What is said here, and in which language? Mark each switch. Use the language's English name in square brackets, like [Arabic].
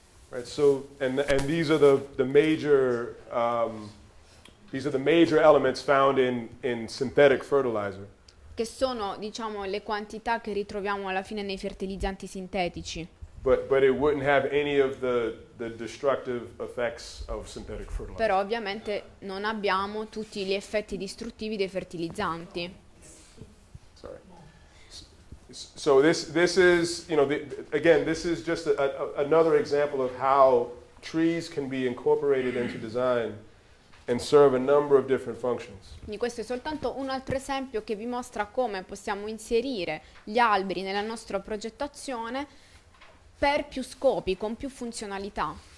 [English] Right, so and these are the major these are the major elements found in synthetic fertilizer. [Italian] Che sono, diciamo, le quantità che ritroviamo alla fine nei fertilizzanti sintetici. [English] But it wouldn't have any of the destructive effects of synthetic fertilizer. [Italian] Però ovviamente non abbiamo tutti gli effetti distruttivi dei fertilizzanti. [English] So this is, you know, this is just another example of how trees can be incorporated into design and serve a number of different functions. [Italian] E questo è soltanto un altro esempio che vi mostra come possiamo inserire gli alberi nella nostra progettazione per più scopi, con più funzionalità.